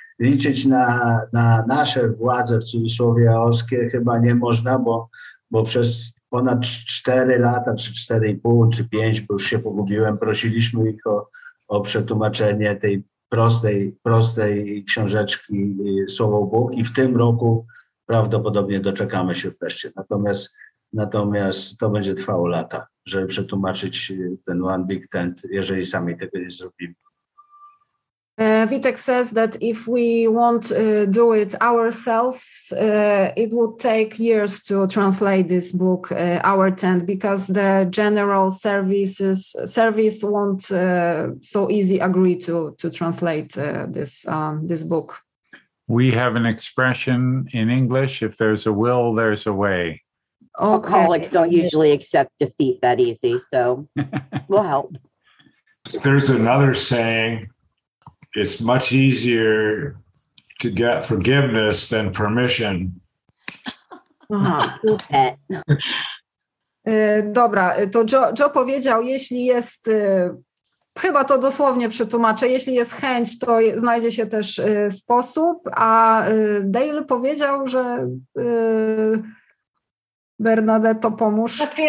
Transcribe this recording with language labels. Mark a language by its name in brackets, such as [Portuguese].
[Polish] Liczyć na nasze władze, w cudzysłowie aoskie, chyba nie można, bo przez ponad 4 lata, czy 4,5, czy 5, bo już się pogubiłem, prosiliśmy ich o przetłumaczenie tej prostej książeczki Słowo Bóg i w tym roku prawdopodobnie doczekamy się wreszcie. Natomiast to będzie trwało lata, żeby przetłumaczyć ten One Big Tent, jeżeli sami tego nie zrobimy. [English] Witek says that if we won't do it ourselves, it would take years to translate this book, Our Tent, because the general service won't so easy agree to translate this book. We have an expression in English, if there's a will, there's a way. Alcoholics don't usually accept defeat that easy, so we'll help. There's another saying, it's much easier to get forgiveness than permission. [Polish] Dobra, to Joe powiedział, jeśli jest, chyba to dosłownie przetłumaczę, jeśli jest chęć, to znajdzie się też sposób, a Dale powiedział, że Bernadette, pomóż.